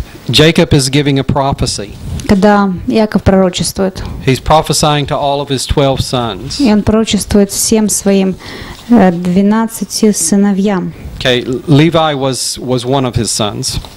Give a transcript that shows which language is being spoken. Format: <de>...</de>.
<en>Jacob is giving a prophecy.</en> <ru>Когда Яков пророчествует.</ru> <en>He's prophesying to all of his 12 sons.</en> <ru>И он пророчествует всем своим 12 сыновьям.</ru> <en>Okay, Levi was one of his sons.</en>